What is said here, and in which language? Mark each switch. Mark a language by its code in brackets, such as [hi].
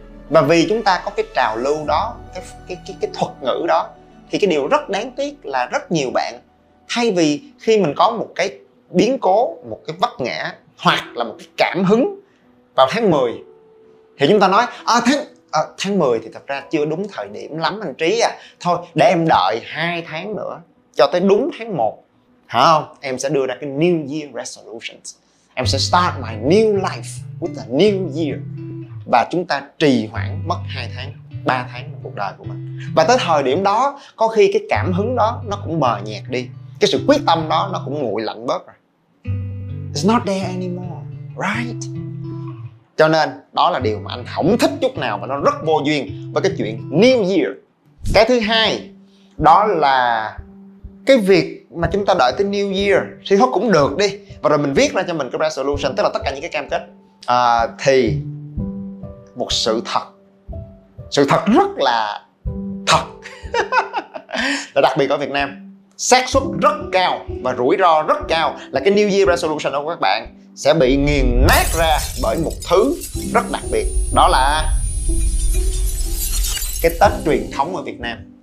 [vi] Và vì chúng ta có cái trào lưu đó, cái thuật ngữ đó, thì cái điều rất đáng tiếc là rất nhiều bạn, thay vì khi mình có một cái biến cố, một cái vấp ngã hoặc là một cái cảm hứng vào tháng 10, thì chúng ta nói, tháng 10 thì thật ra chưa đúng thời điểm lắm anh Trí à. Thôi để em đợi 2 tháng nữa cho tới đúng tháng 1. Hả không? Em sẽ đưa ra cái New Year Resolutions. Em sẽ [en] start my new life with a new year. [vi] Và chúng ta trì hoãn mất 2 tháng, 3 tháng của cuộc đời của mình. Và tới thời điểm đó, có khi cái cảm hứng đó nó cũng mờ nhạt đi. Cái sự quyết tâm đó nó cũng nguội lạnh bớt rồi. [en] It's not there anymore, right? [vi] Cho nên đó là điều mà anh không thích chút nào và nó rất vô duyên với cái chuyện New Year. Cái thứ hai đó là cái việc mà chúng ta đợi tới New Year thì thôi cũng được đi. Và rồi mình viết ra cho mình cái resolution, tức là tất cả những cái cam kết. Thì một sự thật, sự thật rất là thật là đặc biệt ở Việt Nam, xác suất rất cao và rủi ro rất cao là cái New Year resolution của các bạn sẽ bị nghiền nát ra bởi một thứ rất đặc biệt, đó là cái Tết truyền thống ở Việt Nam.